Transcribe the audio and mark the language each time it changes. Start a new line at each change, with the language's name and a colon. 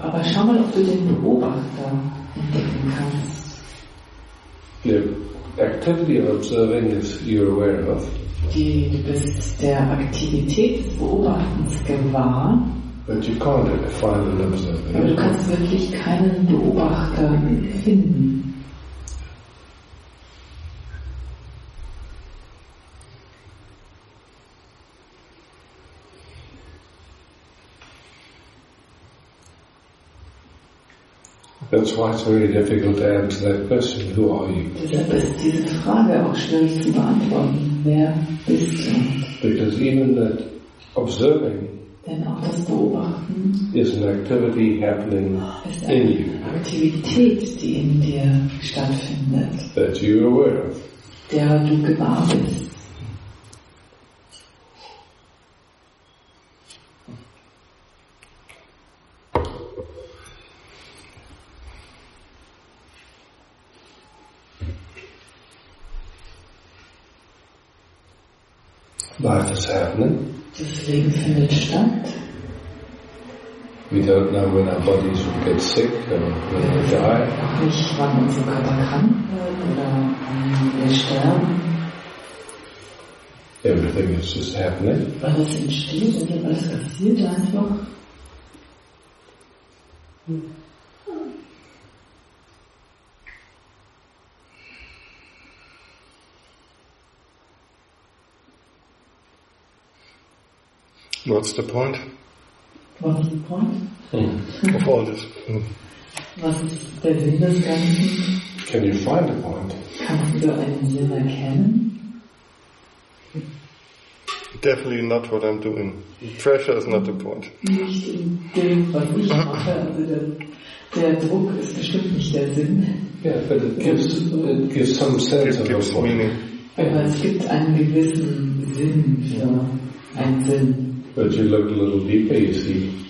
German: Aber schau mal, ob du den Beobachter entdecken kannst.
English: The activity of observing is you're aware of.
German: Du bist der Aktivität des Beobachtens gewahr.
English: But you can't find an observer.
German: Aber du kannst wirklich keinen Beobachter finden.
English: That's why it's very difficult to answer that question. Who are you?
German: Deshalb ist diese Frage auch schwierig zu beantworten. Wer bist du?
English: Because even that observing.
German: Denn auch das Beobachten
English: is an activity happening
German: ist eine Aktivität, die in dir stattfindet,
English: that you're aware of.
German: Der du gewahr bist.
English: Life is happening.
German: Das Leben findet statt.
English: We don't know when our bodies will get sick or when they die.
German: Nicht, wann unser Körper krank wird oder wann wir sterben.
English: Everything is just happening.
German: Alles entsteht und alles passiert einfach.
English: What's the point? Hmm. Of all this.
German: Was ist der Sinn des Ganzen?
English: Can you find a point?
German: Kannst du einen Sinn erkennen?
English: Definitely not what I'm doing. Pressure is not the point.
German: Nicht in dem, was ich mache. Also der Druck ist bestimmt nicht der Sinn.
English: Yeah, but it gives some sense of gives meaning.
German: Aber es gibt einen gewissen Sinn für einen Sinn.
English: But you look a little deeper, you see.